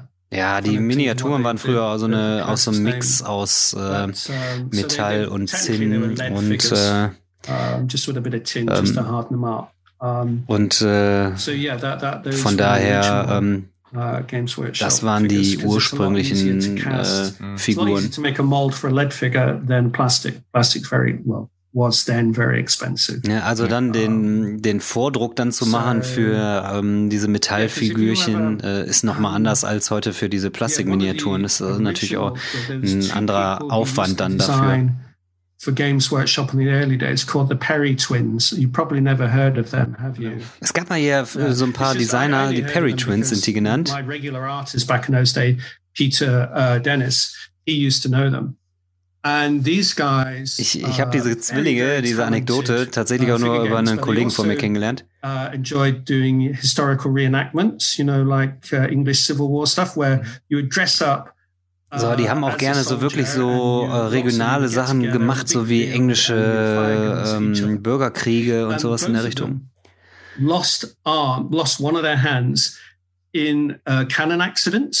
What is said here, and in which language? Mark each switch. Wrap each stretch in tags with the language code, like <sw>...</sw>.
<de>Ja, die Miniaturen waren früher so eine aus so einem Mix aus Metall und Zinn und</de> <en>just with a bit of tin just to harden them up.</en> <de>Und</de> <en>so yeah, that</en> <de>von daher Games Workshop, das waren die ursprünglichen Figuren.</de> <en>To make a mold for a lead figure, then plastic. Plastic very well was then very expensive.</en> <de>Ja, also dann den Vordruck dann zu machen für diese Metallfigürchen ist nochmal anders als heute für diese Plastikminiaturen. Das ist natürlich auch ein anderer Aufwand dann dafür.</de> <en>For Games Workshop in the early days, called the Perry Twins. You probably never heard of them, have you?</en> <de>Es gab mal hier so ein paar Designer, die Perry Twins sind die genannt.</de> <en>My regular artist back in those days, Peter Dennis, he used to know them. And these guys.</en> <de>Ich habe diese Zwillinge, diese Anekdote, tatsächlich auch nur über einen Kollegen von mir kennengelernt.</de> <en>Enjoyed doing historical reenactments, you know, like English Civil War stuff, where you would dress up.</en> <de>So, die haben auch gerne so wirklich so regionale Sachen gemacht, so wie englische Bürgerkriege und sowas in der Richtung.</de> <en>Lost one of their hands in cannon accidents.</en>